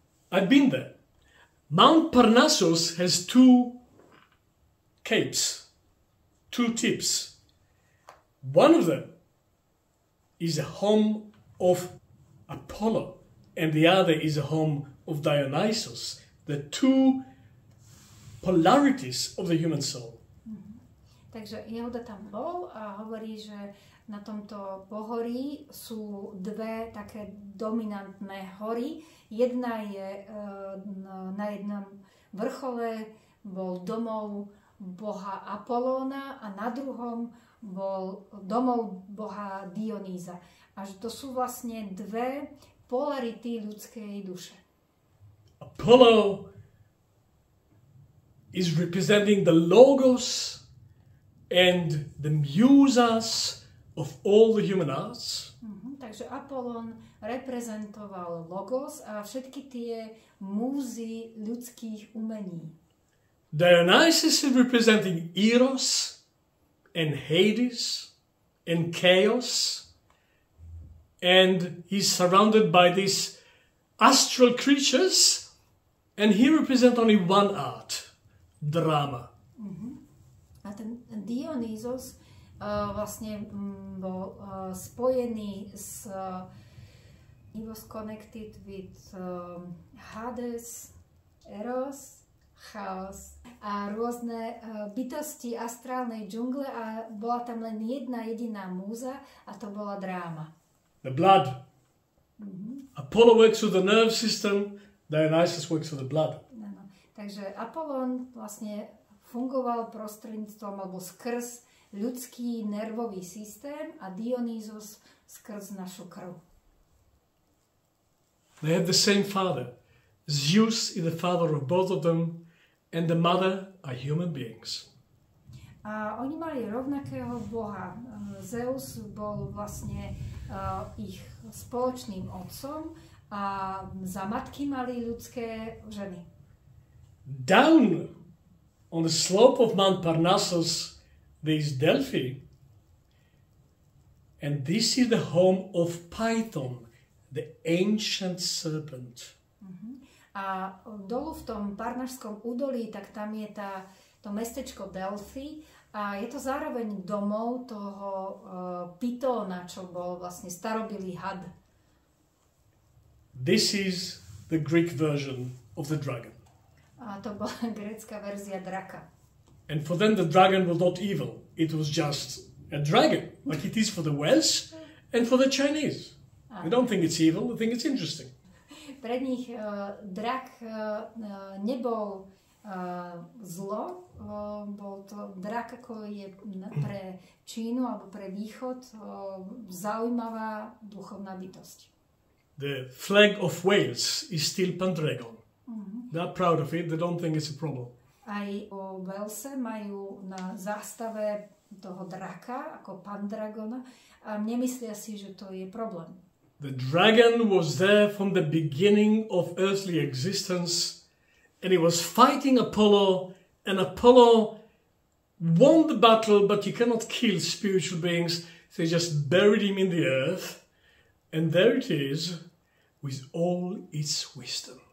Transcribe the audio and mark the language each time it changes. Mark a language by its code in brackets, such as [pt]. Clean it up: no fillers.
[en] I've been there. Mount Parnassus has two capes, two tips. One of them is a home of Apollo, and the other is a home of Dionysus, the two polarities of the human soul. [sk] Takže Jehuda tam bol a hovorí, že na tomto pohorí sú dve také dominantné hory. Jedna je na jednom vrchole bol domov boha Apolóna a na druhom bol domov boha Dionýza. A že to sú vlastne dve polarity ľudskej duše. [en] Apollo is representing the logos and the muses of all the human arts. [sk] Takže Apollon reprezentoval logos a všetky tie múzy ľudských umení. [en] Dionysus is representing Eros and Hades and chaos, and he's surrounded by these astral creatures, and he represents only one art, drama. [sk] A ten Dionysos vlastne bol spojený s [en] he was connected with Hades, Eros, chaos [sk] a rôzne bytosti astrálnej džungle a bola tam len jedna jediná múza a to bola dráma. [en] The blood. Apollo works with the nerve system, Dionysus works with the blood. [sk] Ano. Takže Apollon vlastne fungoval prostredníctvom alebo skrz ľudský nervový systém a Dionysus skrz našu krv. [en] They have the same father. Zeus is the father of both of them. And the mother are human beings. [sk] A oni mali rovnakého boha. Zeus bol vlastne ich spoločným otcom a za matky mali ľudské ženy. [en] Down on the slope of Mount Parnassus there is Delphi, and this is the home of Python, the ancient serpent. [sk] A dolu v tom Parnašskom údolí, tak tam je tá, to mestečko Delphi a je to zároveň domov toho pitóna, čo bol vlastne starobilý had. [en] This is the Greek version of the dragon. [sk] A to bola grécka verzia draka. [en] And for them the dragon was not evil. It was just a dragon, like it is for the Welsh and for the Chinese. They don't think it's evil, they think it's interesting. [sk] Pre nich drak nebol zlo, bol to drak, ako je pre Čínu alebo pre Východ zaujímavá duchovná bytosť. [en] The flag of Wales is still Pendragon. They are proud of it, they don't think it's a problem. [sk] Aj o Walese majú na zástave toho draka, ako Pendragona, a nemyslia si, že to je problém. [en] The dragon was there from the beginning of earthly existence and he was fighting Apollo, and Apollo won the battle, but you cannot kill spiritual beings, They just buried him in the earth, and there it is with all its wisdom.